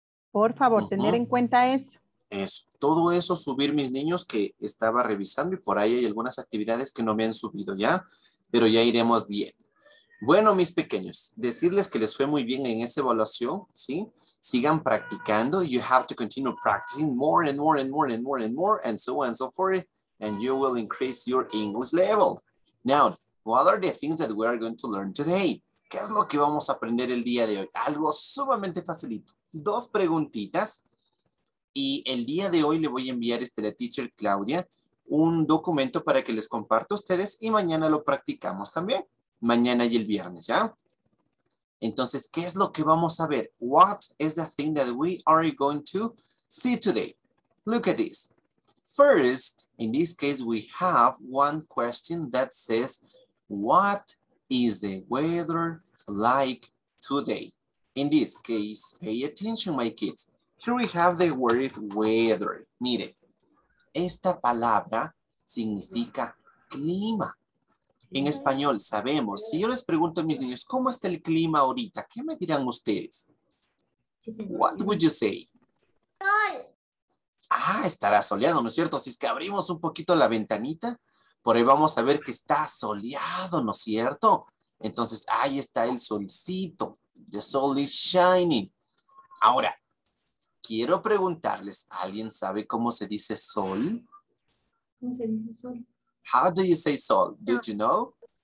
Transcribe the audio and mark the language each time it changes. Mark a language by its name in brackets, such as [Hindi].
[Spanish] Por favor, tener en cuenta eso. Eso, todo eso subir, mis niños, que estaba revisando y por ahí hay algunas actividades que no me han subido ya, pero ya iremos bien. Bueno, mis pequeños, decirles que les fue muy bien en esa evaluación, ¿sí? Sigan practicando. [English] You have to continue practicing more and more and more and more and more and so on and so forth. And you will increase your English level. Now, what are the things that we are going to learn today? [Spanish] ¿Qué es lo que vamos a aprender el día de hoy? Algo sumamente facilito. Dos preguntitas. Y el día de hoy le voy a enviar a la teacher Claudia un documento para que les comparta a ustedes y mañana lo practicamos también. Mañana y el viernes, ¿ya? Entonces, ¿qué es lo que vamos a ver? [English] What is the thing that we are going to see today? Look at this. First, in this case, we have one question that says, what is the weather like today? In this case, pay attention, my kids. Here we have the word weather. [Spanish] Mire, esta palabra significa clima. En español, sabemos, si yo les pregunto a mis niños, ¿cómo está el clima ahorita? ¿Qué me dirán ustedes? [English] What would you say? [Spanish] Ah, estará soleado, ¿no es cierto? Si es que abrimos un poquito la ventanita, por ahí vamos a ver que está soleado, ¿no es cierto? Entonces, ahí está el solcito. [English] The sun is shining. [Spanish] Ahora, quiero preguntarles, ¿alguien sabe cómo se dice sol? ¿Cómo se dice sol? [English] How do you say sol? Did you know?